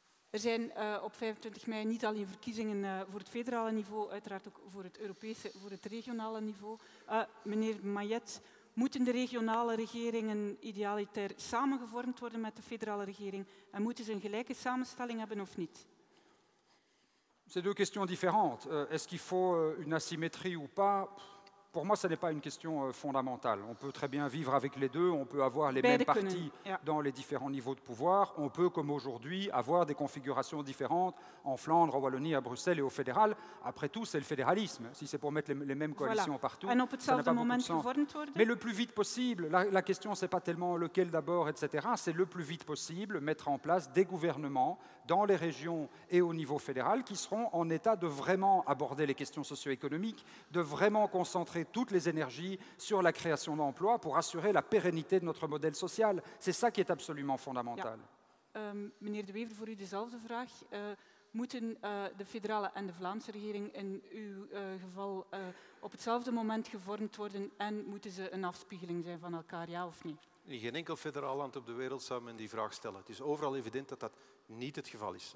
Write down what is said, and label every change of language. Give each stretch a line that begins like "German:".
Dutch: Er zijn op 25 mei niet alleen verkiezingen voor het federale niveau, uiteraard ook voor het Europese, voor het regionale niveau. Meneer Mayet, moeten de regionale regeringen idealiter samengevormd worden met de federale regering en moeten ze een gelijke samenstelling hebben of niet?
French: C'est deux questions différentes. Est-ce qu'il faut une asymétrie ou pas? Pour moi, ce n'est pas une question fondamentale. On peut très bien vivre avec les deux, on peut avoir les mêmes partis dans les différents niveaux de pouvoir, on peut, comme aujourd'hui, avoir des configurations différentes en Flandre, en Wallonie, à Bruxelles et au fédéral. Après tout, c'est le fédéralisme. Si c'est pour mettre les mêmes coalitions partout, ça n'a pas beaucoup de sens. Mais le plus vite possible, la question, ce n'est pas tellement lequel d'abord, etc., c'est le plus vite possible mettre en place des gouvernements dans les régions et au niveau fédéral qui seront en état de vraiment aborder les questions socio-économiques, de vraiment concentrer toutes les énergies sur la création d'emplois pour assurer la pérennité de notre modèle social. C'est ça qui est absolument fondamental.
Dutch: Meneer De Wever, voor u dezelfde vraag. Moeten de federale en de Vlaamse regering in uw geval op hetzelfde moment gevormd worden en moeten ze een afspiegeling zijn van elkaar, ja of nee? In geen enkel federaal land op de wereld zou men die vraag stellen. Het is overal evident dat dat niet het geval is.